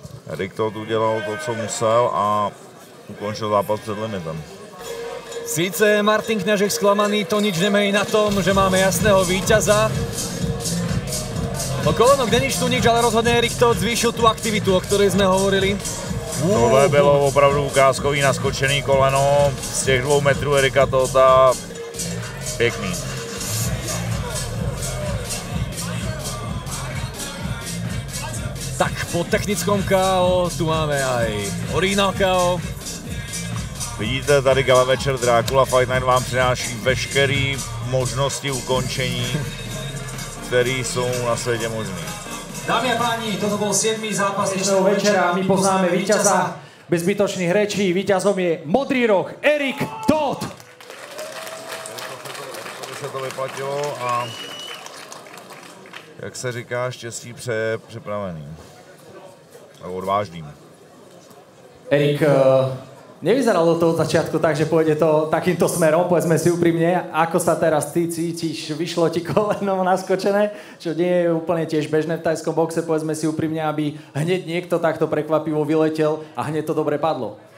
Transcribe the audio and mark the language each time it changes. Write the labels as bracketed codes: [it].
[cs] Erik Tot udělal to, co musel a ukončil zápas před limitem. [sk] Sice Martin Kňažek sklamaný, to nič nemení na tom, že máme jasného víťaza. No koleno, kde nič tu nič, ale rozhodne Erik Tot zvýšil tú aktivitu, o ktorej sme hovorili. [cs] Tohle bylo opravdu ukázkový naskočený koleno z těch 2 metrů Erika Tota. Pěkný. Tak, [sk] po technickom KO tu máme aj Original KO. [cs] Vidíte, tady Gala Večer Dracula Fight Night vám přináší veškeré možnosti ukončení, které jsou na světě možné. [sk] Dámy a páni, toto byl 7. zápas dnešného večera. My poznáme víťaza bez zbytočných rečí. Víťazom je Modrý roh Erik Todd. [cs] To se to vyplatilo a jak se říká, štěstí přeje připraveným. Nebo odvážným. [sk] Erik, nevyzeralo to od začiatku tak, že pôjde to takýmto smerom, povedzme si úprimne, ako sa teraz ty cítiš, vyšlo ti koleno naskočené, čo nie je úplne tiež bežné v tajskom boxe, povedzme si úprimne, aby hneď niekto takto prekvapivo vyletel a hneď to dobre padlo.